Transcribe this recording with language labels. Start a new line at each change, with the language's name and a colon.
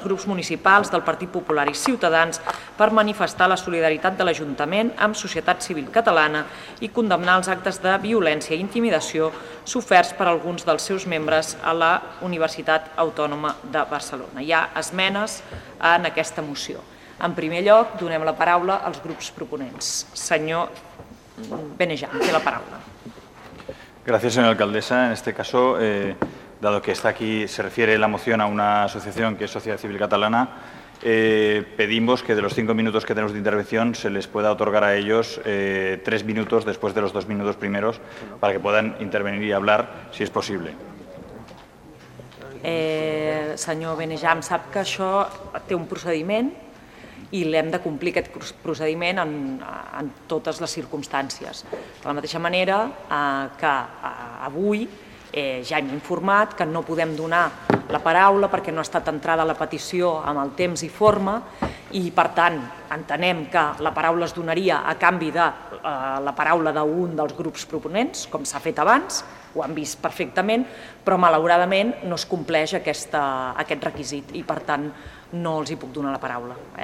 Catalan: grups municipals del Partit Popular i Ciutadans per manifestar la solidaritat de l'Ajuntament amb Societat Civil Catalana i condemnar els actes de violència i intimidació soferts per alguns dels seus membres a la Universitat Autònoma de Barcelona. Hi ha esmenes en aquesta moció. En primer lloc, donem la paraula als grups proponents. Senyor Benejà, té la paraula.
Spanish: Gracias, señora alcaldesa. En este caso, dado que está aquí, se refiere la moción a una asociación que es Sociedad Civil Catalana, pedimos que de los 5 minutos que tenemos de intervención se les pueda otorgar a ellos 3 minutos después de los 2 minutos primeros para que puedan intervenir y hablar, si es posible.
Catalan: Senyor Benejà, sap que això té un procediment i l'hem de complir aquest procediment en totes les circumstàncies. De la mateixa manera que avui ja hem informat que no podem donar la paraula perquè no ha estat entrada la petició amb el temps i forma i, per tant, entenem que la paraula es donaria a canvi de la paraula d'un dels grups proponents, com s'ha fet abans, ho han vist perfectament, però malauradament no es compleix aquest requisit i, per tant, no els hi puc donar la paraula.